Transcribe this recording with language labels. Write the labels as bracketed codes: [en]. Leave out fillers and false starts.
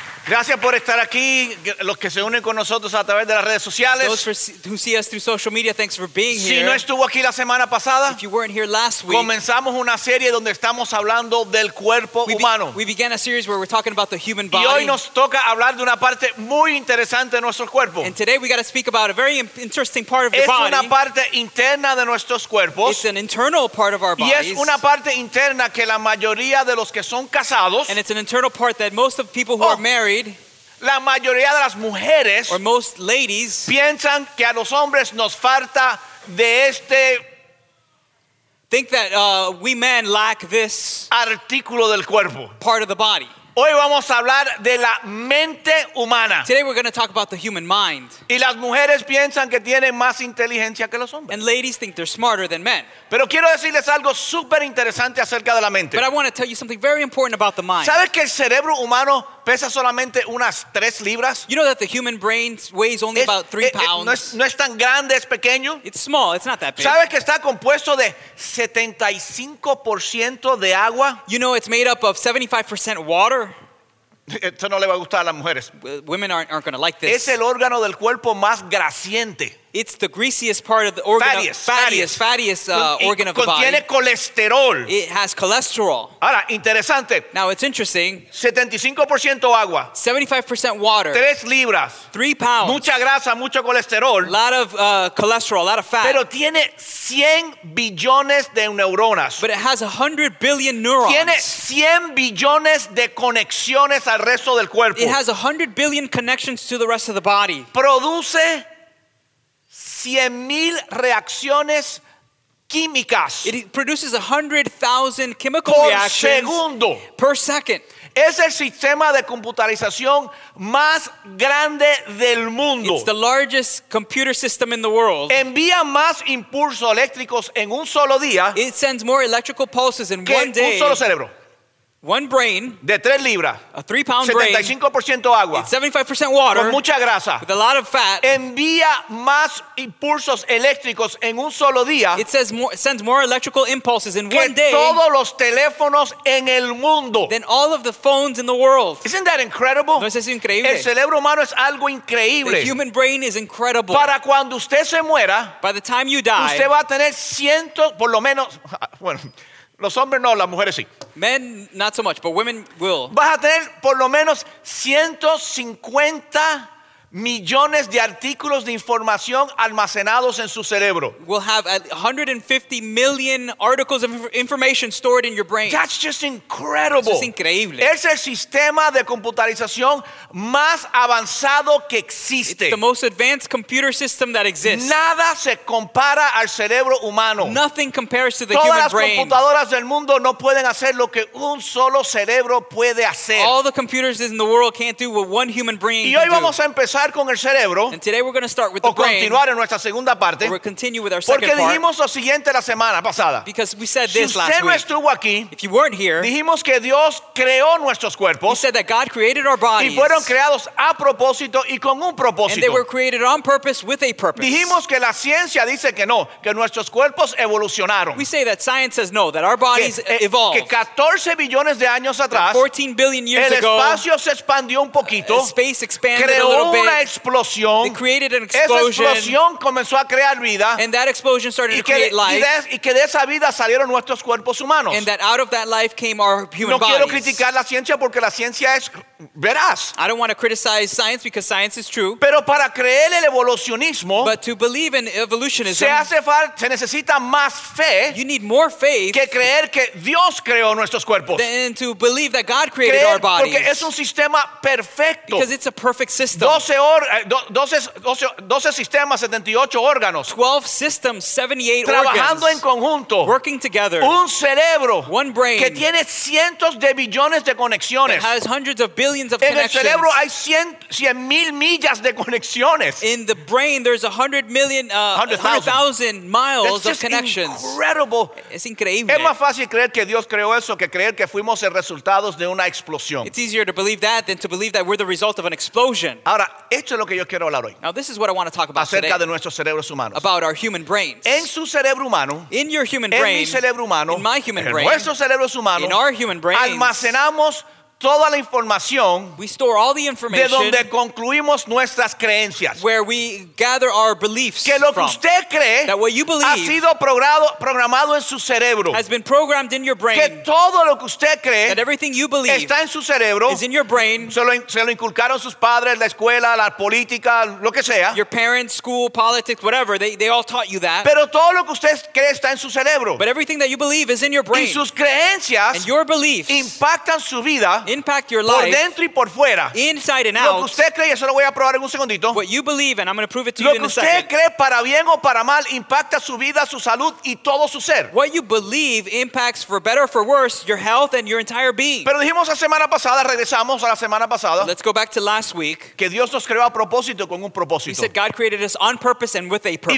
[es] Gracias por estar aquí, los que se unen con nosotros a través de las redes sociales. [en] Those who see us through social media, thanks for being here. [es] Si no estuvo aquí la semana pasada, [en] if you weren't here last week, [es] comenzamos una serie donde estamos hablando del cuerpo humano. [en] We began a series where we're talking about the human body. [es] Y hoy nos toca hablar de una parte muy interesante de nuestro cuerpo. [en] And today we got to speak about a very interesting part of the body. [es] Es una parte interna de nuestros cuerpos. [en] It's an internal part of our bodies. [es] Y es una parte interna que la mayoría de los que son casados, [en] and it's an internal part that most of people who are married, [es] la mayoría de las mujeres, [en] or most ladies, [es] piensan que a los hombres nos falta de este, [en] think that we men lack this [es] artículo del cuerpo, [en] part of the body. [es] Hoy vamos a hablar de la mente humana. [en] Today we're going to talk about the human mind. [es] Y las mujeres piensan que tienen más inteligencia que los hombres. [en] And ladies think they're smarter than men. [es] Pero quiero decirles algo súper interesante acerca de la mente. [en] But I want to tell you something very important about the mind. [es] ¿Sabes que el cerebro humano pesa solamente unas 3 libras? [en] You know that the human brain weighs only about 3 pounds. [es] No es tan grande, es pequeño. [en] It's small, it's not that big. [es] ¿Sabes que está compuesto de 75% de agua? [en] You know it's made up of 75% water. [es] Esto no le va a gustar a las mujeres. [en] Women aren't going to like this. [es] Es el órgano del cuerpo más grasiente. [en] It's the greasiest part of the organ. Fattiest organ of the body. [es] Contiene colesterol. [en] It has cholesterol. [es] Ahora, interesante. [en] Now, it's interesting. [es] 75% agua. [en] 75% water. [es] 3 libras. [en] 3 pounds. [es] Mucha grasa, mucho colesterol. [en] A lot of cholesterol, a lot of fat. [es] Pero tiene 100 billones de neuronas. [en] But it has 100 billion neurons. [es] Tiene 100 billones de conexiones al resto del cuerpo. [en] It has 100 billion connections to the rest of the body. [es] Produce 100,000 reacciones químicas. [en] It produces 100,000 chemical reactions [es] por segundo. [en] Per second. [es] Es el sistema de computarización más grande del mundo. [en] It's the largest computer system in the world. [es] Envía más impulsos eléctricos en un solo día. [en] It sends more electrical pulses in [es] que [en] one day. [es] Un solo cerebro. [en] One brain, [es] de 3 libras, [en] a 3-pound brain, [es] 75% agua, [en] 75% water, [es] con mucha grasa, [en] with a lot of fat, [es] envía más impulsos eléctricos en un solo día. [en] It says more, sends more electrical impulses in one day. [es] Que todos los teléfonos en el mundo. [en] Than all of the phones in the world. Isn't that incredible? [es] ¿No es eso increíble? El cerebro humano es algo increíble. [en] The human brain is incredible. [es] Para cuando usted se muera, [en] by the time you die, [es] usted va a tener ciento, por lo menos, bueno. Los hombres no, las mujeres sí. [en] Men, not so much, but women will. [es] Vas a tener por lo menos 150 millones de artículos de información almacenados en su cerebro. [en] We'll have 150 million articles of information stored in your brain. That's just incredible. [es] Eso es increíble. Es el sistema de computarización más avanzado que existe. [en] It's the most advanced computer system that exists. [es] Nada se compara al cerebro humano. [en] Nothing compares to the [es] Todas [en] human brain. [es] Todas las computadoras del mundo no pueden hacer lo que un solo cerebro puede hacer. [en] All the computers in the world can't do what one human brain can do. [es] Y hoy vamos a empezar con el cerebro, [en] and today we're going to start with the brain. [es] O continuar en nuestra segunda parte. [en] We'll continue with our second part. [es] Porque dijimos lo siguiente la semana pasada. [en] Because we said this last week. [es] Si usted no estuvo aquí, [en] if you weren't here, [es] dijimos que Dios creó nuestros cuerpos. [en] We said that God created our bodies. [es] Y fueron creados a propósito y con un propósito. [en] And they were created on purpose with a purpose. [es] Dijimos que la ciencia dice que no, que nuestros cuerpos evolucionaron. [en] We say that science says no, that our bodies evolved. [es] Que 14 billones de años atrás, [en] 14 billion years [es] el espacio [en] ago, [es] se expandió un poquito. [en] Space expanded [es] creó [en] a little bit. [es] Una explosión. [en] It created an explosion. [es] Esa explosión comenzó a crear vida. [en] And that explosion started to create life. [es] Y que de esa vida salieron nuestros cuerpos humanos. [en] And that out of that life came our human bodies. [es] No quiero criticar la ciencia porque la ciencia es veraz. [en] I don't want to criticize science because science is true. [es] Pero para creer el evolucionismo, [en] but to believe in evolutionism, [es] se necesita más fe. [en] You need more faith [es] que creer que Dios creó nuestros cuerpos. [en] Than to believe that God created [es] creer [en] our bodies. [es] Porque es un sistema perfecto. [en] Because it's a perfect system. [es] 12 sistemas, 78 órganos. [en] 12 systems, 78 [es] trabajando [en] organs. [es] Trabajando en conjunto. [en] Working together. [es] Un cerebro. [en] One brain. [es] Que tiene cientos de billones de conexiones. [en] It has hundreds of billions of [es] en [en] connections. [es] En el cerebro hay 100 mil millas de conexiones. [en] In the brain there's 100 million, 100,000 miles That's of connections. It's incredible. [es] Es increíble. Es más fácil creer que Dios creó eso que creer que fuimos el resultado de una explosión. [en] It's easier to believe that than to believe that we're the result of an explosion. [es] Ahora, esto es lo que yo quiero hablar hoy. [en] Now this is what I want to talk about [es] acerca [en] today. [es] De nuestros cerebros humanos. [en] About our human brains. [es] En su cerebro humano. [en] In your human [es] en [en] brain. [es] En mi cerebro humano. [en] In my human [es] en [en] brain. [es] En nuestros cerebros humanos. [en] In our human brains. [es] Almacenamos toda la información. [en] We store all the information. [es] De donde concluimos nuestras creencias. [en] Where we gather our beliefs [es] que lo que [en] from. [es] Usted cree. [en] That what you believe. [es] Ha sido programado en su cerebro. [en] Has been programmed in your brain. [es] Que todo lo que usted cree. [en] That everything you believe. [es] Está en su cerebro. [en] Is in your brain. [es] Se lo inculcaron sus padres, la escuela, la política, lo que sea. [en] Your parents, school, politics, whatever. They all taught you that. [es] Pero todo lo que usted cree está en su cerebro. [en] But everything that you believe is in your brain. [es] Y sus creencias. [en] And your beliefs. [es] Impactan su vida. [en] Impact your life [es] por dentro y por fuera. [en] Inside and out. [es] Lo que usted cree, eso lo voy a probar en un segundito. [en] What you believe and I'm going to prove it to [es] lo [en] you in a second. [es] Lo que usted cree para bien o para mal impacta su vida, su salud y todo su ser. [en] What you believe impacts for better or for worse your health and your entire being. [es] Pero dijimos la semana pasada, regresamos a la semana pasada. [en] Let's go back to last week. [es] Que Dios nos creó a propósito con un propósito. [en] He said God created us on purpose and with a purpose.